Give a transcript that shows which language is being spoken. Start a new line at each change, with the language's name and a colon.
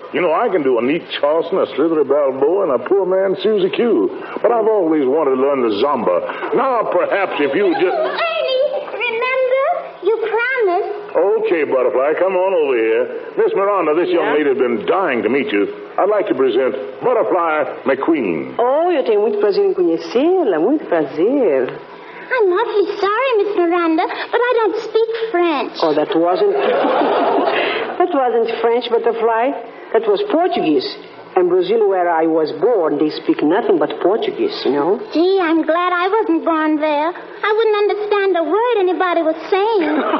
English: You know, I can do a neat Charleston, a slithery Balboa, and a poor man Susie Q. But I've always wanted to learn the Zumba. Now, perhaps if you just... Ernie, remember? You promised. Okay, Butterfly, come on over here. Miss Miranda, this young lady has been dying to meet you. I'd like to present Butterfly McQueen.
Portuguese: Oh, eu tenho muito prazer em conhecê-la, muito prazer.
English: I'm awfully sorry, Miss Miranda, but I don't speak French. Oh, that wasn't... that wasn't French, Butterfly. That was Portuguese. In Brazil, where I was born, they speak nothing but Portuguese, you know? Gee, I'm glad I wasn't born there. I wouldn't understand a word anybody was saying.